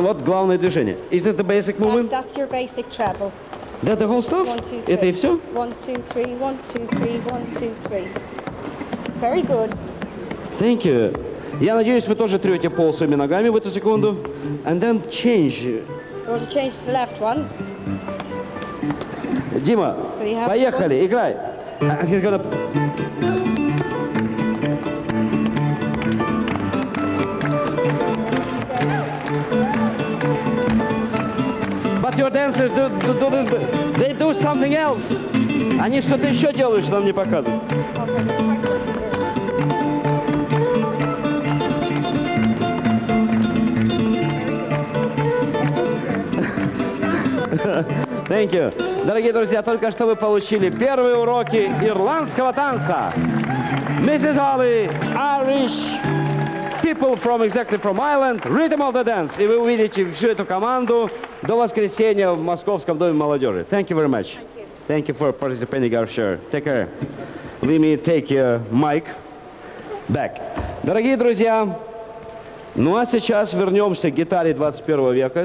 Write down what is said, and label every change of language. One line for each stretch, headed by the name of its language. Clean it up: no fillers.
Russian: Вот главное движение.
English: Is it the basic movement? That's your basic treble. That the whole stuff? One, two,
Russian: это и все?
English: 1, 2, 3, 1, 2, 3, 1, 2, 3. Very good. Thank you.
Russian: Я надеюсь, вы тоже трете пол своими ногами в эту секунду.
English: And then change. You want to change to the left one? Дима, so
Russian: поехали,
English: one.
Russian: Играй.
English: And he's gonna... Your dancers do this, they do something else.
Russian: Они что-то еще делают, что нам не показывают.
English: Thank you.
Russian: Дорогие друзья, только что вы получили первые уроки ирландского танца.
English: Mrs. Holly, Irish people from exactly from Ireland, rhythm of the dance.
Russian: И вы увидите всю эту команду до воскресенья в Московском доме молодежи.
English: Thank you very much. Thank you. Thank you for participating in our show. Take care. Let me take your mic back.
Russian: Дорогие друзья, ну а сейчас вернемся к гитаре 21 века.